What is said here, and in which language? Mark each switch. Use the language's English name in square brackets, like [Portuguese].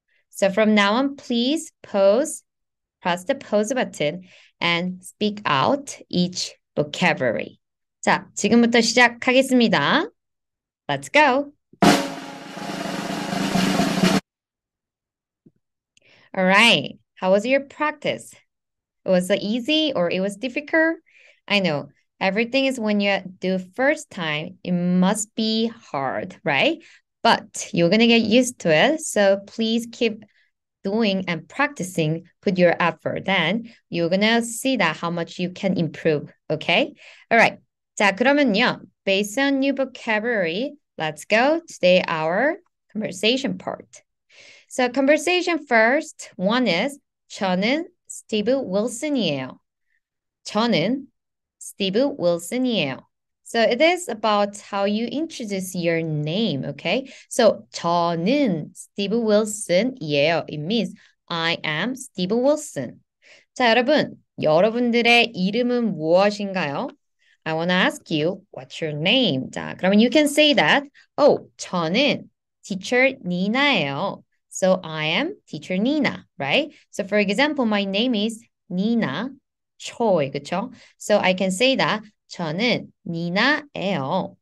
[English] So from now on, please pause, press the pause button and speak out each vocabulary. [Korean] 자, 지금부터 시작하겠습니다. [English] Let's go. All right. How was your practice? It was easy or it was difficult? I know. Everything is when you do first time, it must be hard, right? But you're going to get used to it. So please keep doing and practicing, put your effort. Then you're going to see that how much you can improve. Okay. All right. [Korean] 자, 그러면요. [English] Based on new vocabulary, let's go today our conversation part. So conversation first, one is [Korean] 저는 스티브 윌슨이에요. 저는 스티브 윌슨이에요. [English] So it is about how you introduce your name, okay? [Korean] So 저는 스티브 윌슨이에요. [English] It means I am 스티브 윌슨. [Korean] 자, 여러분, 여러분들의 이름은 무엇인가요? [English] I want to ask you, what's your name? [Korean] 자, 그러면 [English] you can say that, oh, [Korean] 저는 [English] teacher 니나예요. So I am teacher 니나, right? So for example, my name is 니나 초이, [Korean] 그쵸? [English] So I can say that, [Korean] 저는 니나예요.